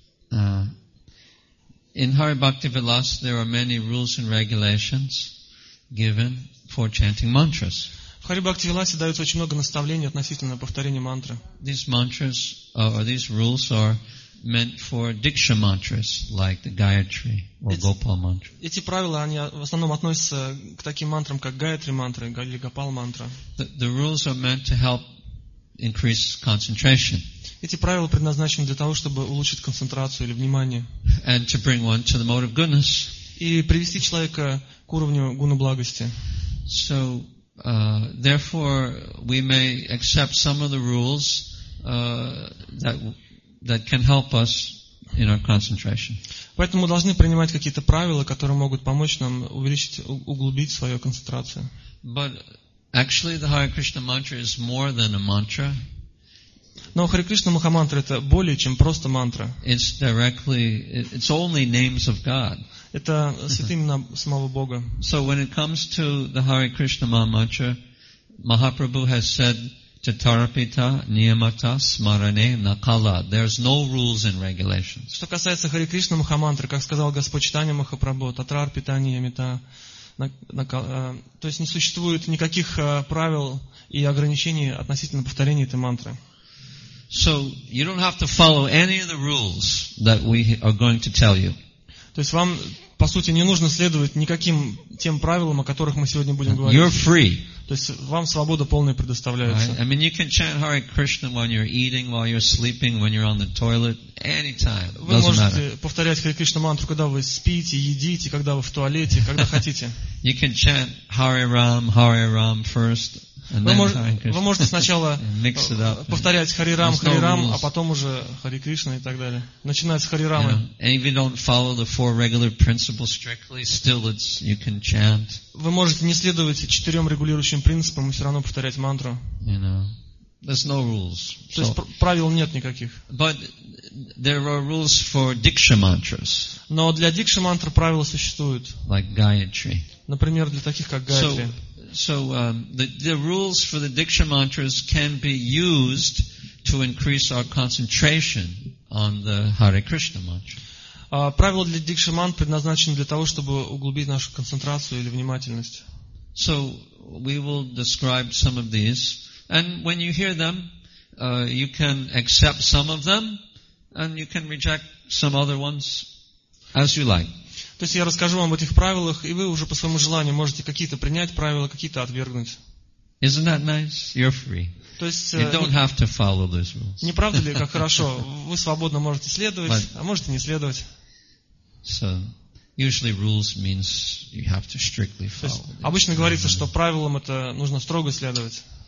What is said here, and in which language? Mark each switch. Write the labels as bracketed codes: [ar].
[en] In Hari Bhakti Vilas there are many rules and regulations given for chanting mantras. [ru] В Хари Бхакти Виласе дается очень много наставлений относительно повторения мантры. [en] These mantras or these rules are meant for diksha mantras like the Gayatri or Gopal mantra. [ru] Эти правила, они в основном относятся к таким мантрам, как Гаятри мантра или Гопал мантра. [en] The rules are meant to help increase concentration. [ru] Эти правила предназначены для того, чтобы улучшить концентрацию или внимание. [en] And to bring one to the mode of goodness. [ru] И привести человека к уровню гуна благости. [en] So therefore we may accept some of the rules that can help us in our concentration. [ru] Поэтому мы должны принимать какие-то правила, которые могут помочь нам увеличить, углубить свою концентрацию. [en] But actually the Hare Krishna mantra is more than a mantra. [ru] Но Хари Кришна Махамантра — это более чем просто мантра. [en] It's directly, it's only names of God. [ru] Это святые имена самого Бога. [en] So when it comes to the Hare Krishna mantra, Mahaprabhu has said Tatarapita, Niyamata, Smarane, Nakala. There's no rules and regulations. [ru] Что касается Хари Кришна Махамантры, как сказал Господь Читания Махапрабху, Татарапита, Ниямита, Накала. То есть не существует никаких правил и ограничений относительно повторения этой мантры. [en] So you don't have to follow any of the rules that we are going to tell you. [ru] То есть вам, по сути, не нужно следовать никаким тем правилам, о которых мы сегодня будем говорить. [en] You're free. [ru] То есть вам свобода полная предоставляется. [en] I mean, you can chant Hare Krishna while you're eating, while you're sleeping, when you're on the toilet, anytime. [ru] Вы можете повторять Хари Кришна мантру, когда вы спите, едите, когда вы в туалете, когда хотите. [en] You can chant Hare Ram first, and then Hare Krishna. [ru] Вы можете сначала повторять Хари Рам, Хари Рам, а потом уже Хари Кришна и так далее. Начинать с Хари Рамы. [en] And if you don't follow the four regular principles strictly, still it's you can chant. [ru] Вы можете не следовать четырем регулирующим принципам и все равно повторять мантру. [en] You know, there's no rules. [ru] То есть правил нет никаких. [en] But there are rules for diksha mantras. [ru] Но для дикша мантр правила существуют. [en] Like Gayatri. [ru] Например, для таких как Гаятри. [en] So the rules for the Diksha mantras can be used to increase our concentration on the Hare Krishna mantra. [ru] Правила для Дикши мантр предназначены для того, чтобы углубить нашу концентрацию или внимательность. [en] So we will describe some of these, and when you hear them, you can accept some of them, and you can reject some other ones as you like. [ru] То есть я расскажу вам об этих правилах, и вы уже по своему желанию можете какие-то принять правила, какие-то отвергнуть. [en] Isn't that nice? You're free. [ru] То есть, [en] you don't have to follow those rules. [ru] Не правда ли, как хорошо? Вы свободно можете следовать, а можете не следовать. [en] So, usually rules means you have to strictly follow. [ru] То есть, обычно говорится, что правилам это нужно строго следовать.